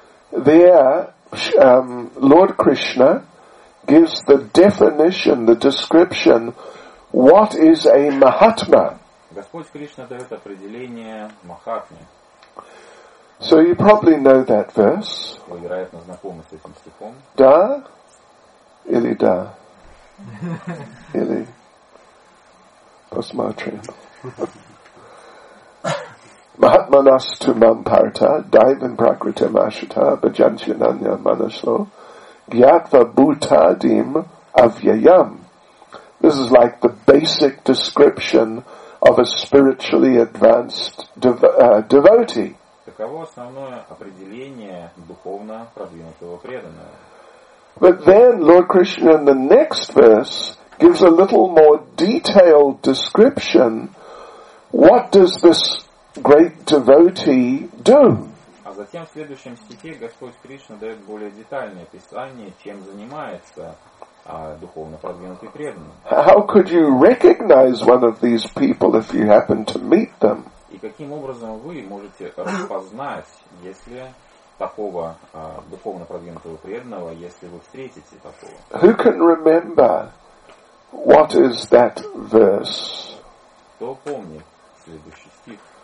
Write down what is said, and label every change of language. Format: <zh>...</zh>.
<en>There, Lord Krishna gives the definition, the description, what is a Mahatma.</en> <ru>Господь Кришна дает определение Махатме.</ru> <en>So you probably know that verse.</en> <ru>Вы, вероятно, знакомы с этим стихом. Да? Или да? Или... Посмотрим.</ru> <sa>Mahatmanas tu mam parta, daivam prakritam ashita, bhajanchinanya manaslo, gyatva bhutadim avyayam.</sa> <en>This is like the basic description of a spiritually advanced devotee.</en> <ru>Таково основное определение духовно продвинутого преданного.</ru> <en>But then Lord Krishna in the next verse gives a little more detailed description. What does this great devotee do?</en> <ru>А затем в следующем стихе Господь Кришна дает более детальное описание, чем занимается духовно продвинутый преданный.</ru> <en>How could you recognize one of these people if you happen to meet them?</en> <ru>И каким образом вы можете распознать, если такого духовно продвинутого преданного, если вы встретите такого?</ru> <en>Who can remember? What is that verse?</en> <ru>Кто помнит следующий стих?</ru>